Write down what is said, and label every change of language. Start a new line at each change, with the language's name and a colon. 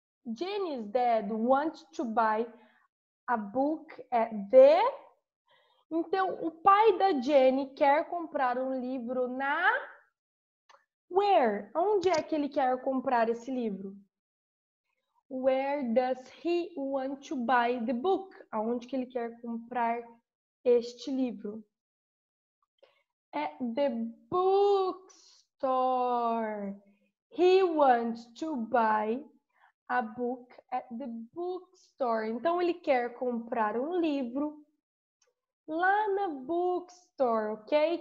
English: Jenny's dad wants to buy a book at the...
Portuguese: Então, o pai da Jenny quer comprar um livro na...
English: Where?
Portuguese: Onde é que ele quer comprar esse livro?
English: Where does he want to buy the book?
Portuguese: Aonde que ele quer comprar este livro?
English: At the bookstore. He wants to buy a book at the bookstore.
Portuguese: Então, ele quer comprar um livro lá na bookstore, ok?